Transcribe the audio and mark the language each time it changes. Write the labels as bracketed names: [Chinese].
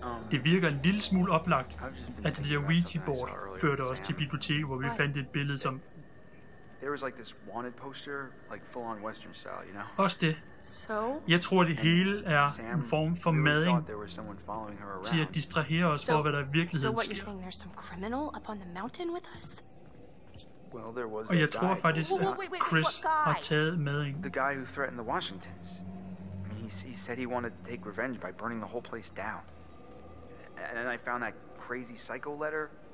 [Danish] Det virker en lille smule oplagt, at det der Ouija-board førte os til biblioteket, hvor vi fandt et billede, som... [English] There was like this wanted poster, like full on western style, you know. [Danish] Også det. [English] So? [Danish] Jeg tror det hele er en form for madding. Til at distrahere os fra hvad der virkelig sker. [English] So what you're saying, there's some criminal up on the mountain with us? Well, there was [Danish] og jeg tror faktisk, at Chris har taget med en. [English] The guy who threatened the Washingtons. I mean, he said he wanted to take revenge by burning the whole place down. And then I found that crazy psycho letter.